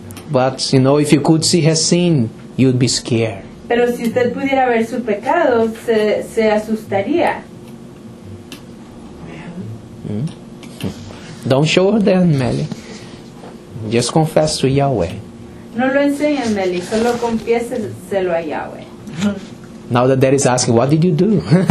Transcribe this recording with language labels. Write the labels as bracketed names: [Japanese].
[English] But, you know, if you could see her sin, you'd be scared. [Spanish] Pero si usted pudiera ver su pecado, se asustaría. [English] Don't show her then, Melly. Just confess to Yahweh. [Spanish] No lo enseñe, Melly. Solo confiéselo a Yahweh. [English] Now the dad is asking, what did you do?